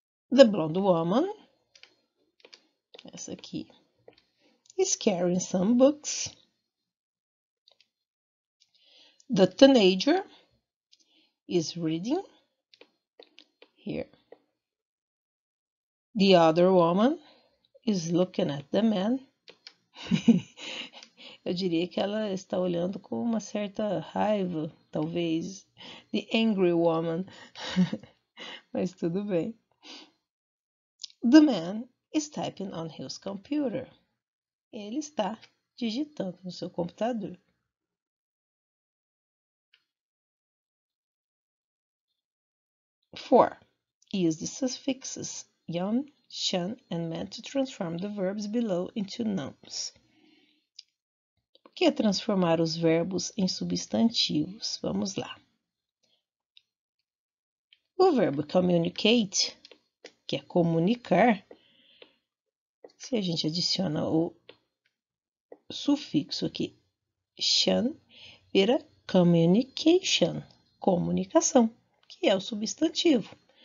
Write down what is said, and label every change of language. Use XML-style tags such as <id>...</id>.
<en>The blonde woman,</en> <pt>essa aqui,</pt> <en>is carrying some books. The teenager is reading here. The other woman is looking at the man.</en> <pt>Eu diria que ela está olhando com uma certa raiva, talvez.</pt> <en>The angry woman.</en> <pt>Mas tudo bem.</pt> <en>The man is typing on his computer.</en> <pt>Ele está digitando no seu computador.</pt> <en>Four. Use the suffixes yon, shan, and man to transform the verbs below into nouns.</en> <pt>O que é transformar os verbos em substantivos? Vamos lá. O verbo communicate, que é comunicar, se a gente adiciona o sufixo aqui, shan, vira communication, comunicação, que é o substantivo.</pt>